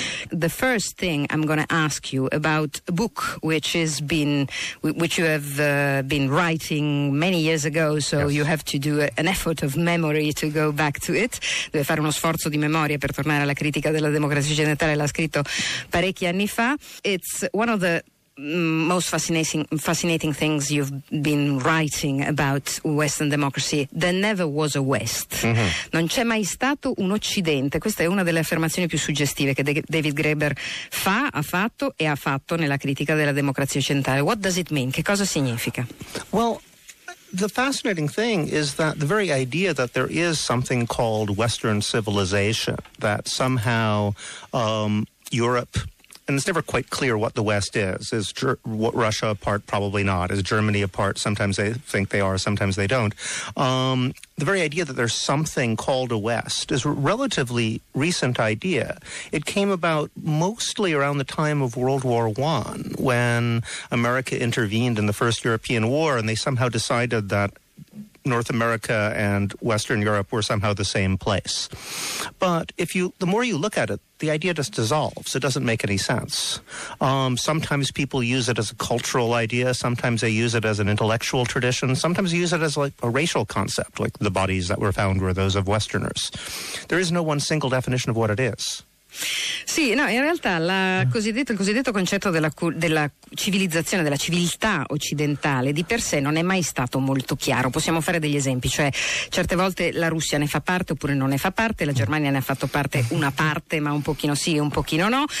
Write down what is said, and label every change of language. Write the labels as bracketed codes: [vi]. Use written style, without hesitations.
[en] the first thing I'm going to ask you about a book which you have been writing many years ago, so yes, you have to do an effort of memory to go back to it. [it] Deve fare uno sforzo di memoria per tornare alla critica della democrazia occidentale, l'ha scritto parecchi anni fa. [en] It's one of the most fascinating things you've been writing about Western democracy. There never was a West. [it] Mm-hmm. Non c'è mai stato un Occidente. Questa è una delle affermazioni più suggestive che David Graeber ha fatto nella critica della democrazia occidentale. [en] What does it mean? [it] Che cosa significa? [en] Well, the fascinating thing is that the very idea that there is something called Western civilization, that somehow Europe, and it's never quite clear what the West is. Is Russia a part? Probably not. Is Germany a part? Sometimes they think they are, sometimes they don't. The very idea that there's something called a West is a relatively recent idea. It came about mostly around the time of World War I, when America intervened in the First European War, and they somehow decided that North America and Western Europe were somehow the same place. But if you, the more you look at it, the idea just dissolves. It doesn't make any sense. Sometimes people use it as a cultural idea. Sometimes they use it as an intellectual tradition. Sometimes they use it as like a racial concept, like the bodies that were found were those of Westerners. There is no one single definition of what it is. [it] Sì, no, in realtà il cosiddetto concetto della civilizzazione, della civiltà occidentale di per sé non è mai stato molto chiaro. Possiamo fare degli esempi, cioè certe volte la Russia ne fa parte oppure non ne fa parte, la Germania ne ha fatto parte una parte, ma un pochino sì e un pochino no.